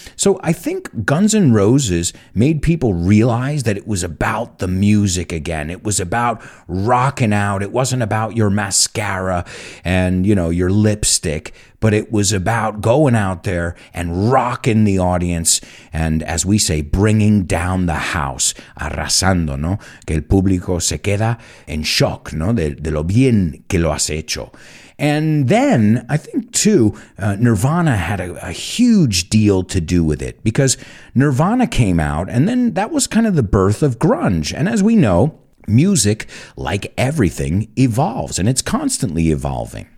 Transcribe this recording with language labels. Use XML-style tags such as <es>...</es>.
<en>So I think Guns N' Roses made people realize that it was about the music again. It was about rocking out. It wasn't about your mascara and, you know, your lipstick, but it was about going out there and rocking the audience and, as we say, bringing down the house.</en> <es>Arrasando, ¿no? Que el público se queda en shock, ¿no? De lo bien que lo has hecho.</es> <en>And then, I think too, Nirvana had a huge deal to do with it, because Nirvana came out, and then that was kind of the birth of grunge. And as we know, music, like everything, evolves, and it's constantly evolving.</en>